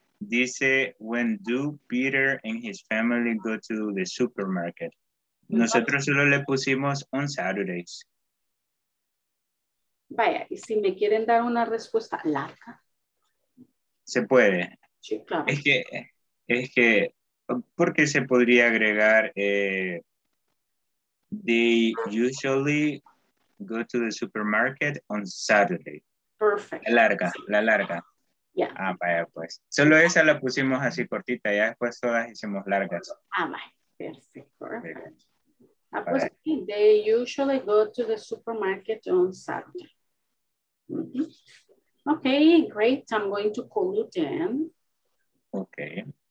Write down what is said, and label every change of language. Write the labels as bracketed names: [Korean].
[English] Dice, when do Peter and his family go to the supermarket? [Spanish] Nosotros solo le pusimos [English] on Saturdays. [Spanish] Vaya, y si me quieren dar una respuesta larga. Se puede. Sí, claro. Es que, ¿por qué se podría agregar? [English] They usually go to the supermarket on Saturday. Perfect. [Spanish] La larga. [English] Yeah. [Spanish] Ah, vaya pues. Solo esa la pusimos así cortita, ya después todas hicimos largas. Ah, vaya, perfecto. [English] Ah, pues, they usually go to the supermarket on Saturday. Mm-hmm. Okay, great. I'm going to call you then. Okay.